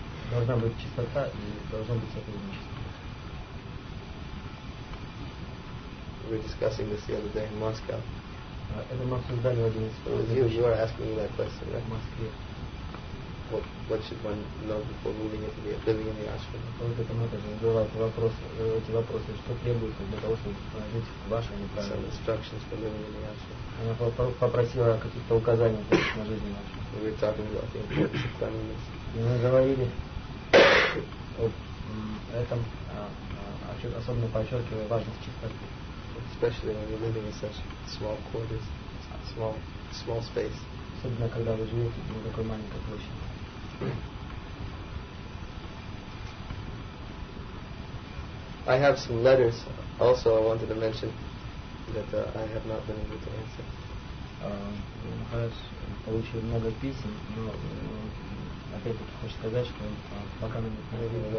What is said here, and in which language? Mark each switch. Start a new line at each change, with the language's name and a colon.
Russian: Должна быть чистота и должно быть сотрудничество.
English: We were discussing this the other day in Moscow.
Russian: Это мы обсуждали один из вопросов.
English: You were asking me that question, right?
Russian: В Москве.
English: What should one know before moving into living in the ashram?
Russian: Вот это мы тоже задавали вопрос, эти вопросы, что требуется для того, чтобы жить в вашем ашраме.
English: Some instructions for living in the ashram.
Russian: Она попросила каких-то указаний на жизнь в ашраме.
English: We were talking about the importance of cleanliness.
Russian: И мы говорили об этом, о особенно подчеркивая важность чистоты.
English: Especially when you're living in such small quarters, small space.
Russian: Особенно когда вы живете в такой маленькой площади.
English: I have some letters also I wanted to mention that I have not been able to answer.
Russian: Получил много писем, но опять-таки хочу сказать, что пока мы не говорим о